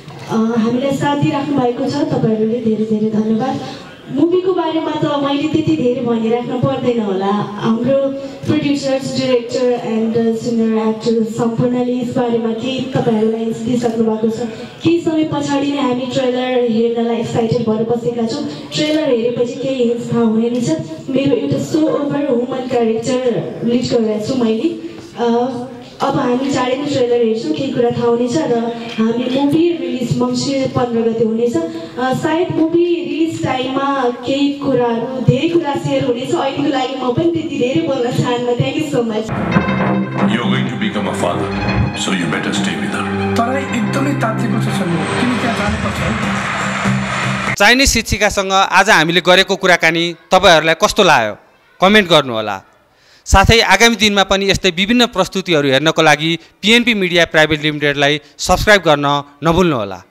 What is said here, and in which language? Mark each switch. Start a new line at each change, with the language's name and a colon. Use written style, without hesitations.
Nepali: हामीलाई साथ दिइराख्नु भएको छ तपाईँहरूले धेरै धेरै धन्यवाद मुभीको बारेमा त मैले त्यति धेरै भनिराख्नु पर्दैन होला हाम्रो producers director and senior actor सम्पूर्णले यसबारेमा केही तपाईँहरूलाई हिन्स दिइसक्नु भएको छ केही समय पछाडि नै हामी ट्रेलर हेर्नलाई एक्साइटेड भएर बसेका छौँ ट्रेलर हेरेपछि केही हिन्स थाहा हुने रहेछ मेरो एउटा so over woman character lead गरेको छु मैले अब हामी चाँडै नै ट्रेलर हेर्छौँ केही कुरा थाहा हुनेछ र हामी मुभी रिलिज मङ्सिर 15 गते हुनेछ सायद मुभी रिलिज टाइममा केही कुराहरू धेरै कुरा सेयर हुनेछ अहिलेको लागि म पनि त्यति धेरै बोल्न चाहन्न
English: Thank you so much You're going to become a father, so you better stay with her.
Nepali: Terai एकदमै तातेको छ सर किन त्यहाँ जानुपर्छ चाइनिज शिक्षिकासँग आज हामीले गरेको कुराकानी तपाईँहरूलाई कस्तो लाग्यो कमेन्ट गर्नुहोला साथै आगामी दिनमा पनि यस्तै विभिन्न प्रस्तुतिहरू हेर्नको लागि पिएनपी मिडिया प्राइभेट लिमिटेडलाई सब्सक्राइब गर्न नभुल्नुहोला